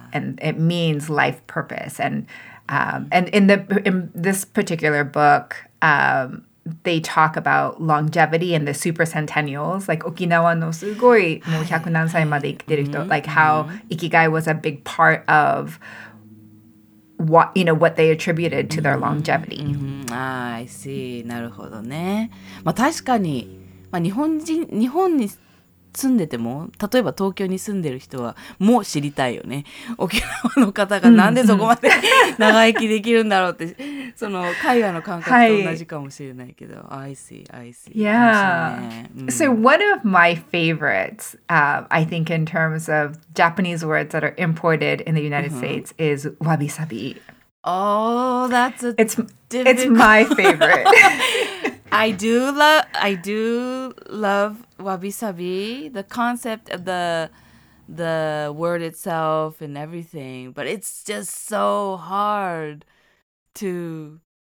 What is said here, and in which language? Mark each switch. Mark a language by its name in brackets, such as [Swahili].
[English] And it means life purpose. And in this particular book, they talk about longevity and the super centennials, like [Japanese] Okinawa no sugoi, mo hyaku nan sai made ikiteru hito, [English] like how ikigai was a big part of what, you know, what they attributed to their longevity. I see. [Japanese] なるほどね。まあ確かに、まあ日本に住んでても、例えば東京に住んでる人はもう知りたいよね。沖縄の方がなんでそこまで長生きできるんだろうって、その海外の感覚と同じかもしれないけど、はい、 [English] I see. Yeah. So one of my favorites, I think in terms of Japanese words that are imported in the United States is wabi sabi. Oh, that's a it's my favorite. I do love wabi sabi, the concept of the word itself and everything, but it's just so hard to